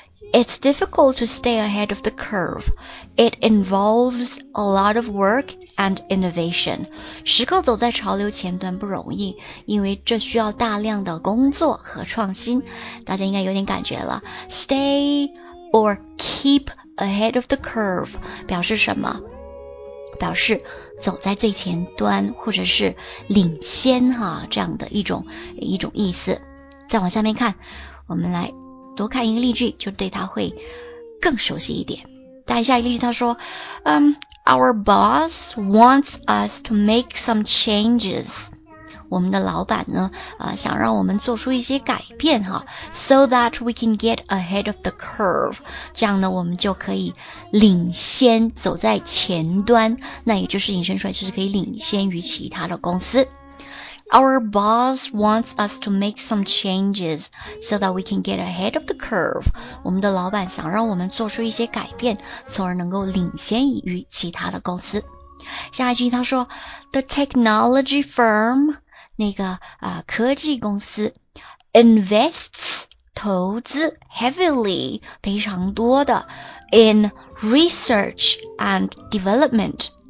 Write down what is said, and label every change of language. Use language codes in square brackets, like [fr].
[en] It's difficult to stay ahead of the curve. It involves a lot of work and innovation. [zh] 时刻走在潮流前端不容易，因为这需要大量的工作和创新。大家应该有点感觉了。 [en] Stay or keep ahead of the curve [zh] 表示什么？表示走在最前端或者是领先哈、啊、这样的一种意思。再往下面看，我们来多看一个例句，就对它会更熟悉一点。看一下一个例句，他说 [en] Our boss wants us to make some changes. [zh] 我们的老板呢、想让我们做出一些改变哈 , [en] so that we can get ahead of the curve. [zh] 这样呢我们就可以领先走在前端，那也就是引申出来就是可以领先于其他的公司。 [en] Our boss wants us to make some changes so that we can get ahead of the curve. [zh] 我们的老板想让我们做出一些改变，从而能够领先于其他的公司。下一句他说 [en] The technology firm, [zh] 那个、科技公司 [en] invests [zh] 投资 [en] heavily, [zh] 非常多的 [en] in research and development.